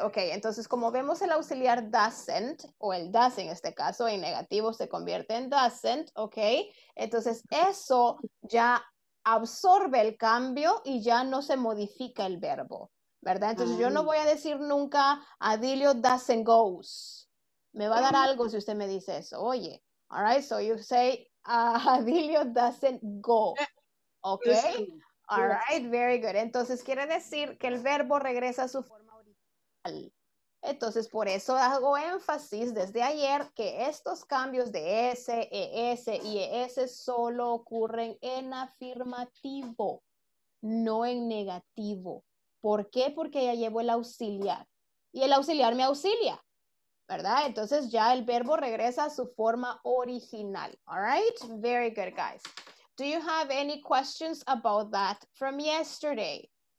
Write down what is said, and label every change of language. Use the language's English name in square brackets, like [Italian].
[Spanish] Ok, entonces como vemos el auxiliar doesn't, o el does en este caso, en negativo se convierte en doesn't, ok. Entonces eso ya absorbe el cambio y ya no se modifica el verbo, ¿verdad? Entonces yo no voy a decir nunca Adilio [English] doesn't goes. [Spanish] Me va a dar algo si usted me dice eso. [English] Oye, all right, so you say Adilio doesn't go. Okay, all right, very good. [Spanish] Entonces quiere decir que el verbo regresa a su forma original. Entonces por eso hago énfasis desde ayer que estos cambios de S, ES y ES solo ocurren en afirmativo, no en negativo. ¿Por qué? Porque ya llevo el auxiliar. Y el auxiliar me auxilia, ¿verdad? Entonces ya el verbo regresa a su forma original. [English] All right? Very good, guys. Do you have any questions about that from yesterday?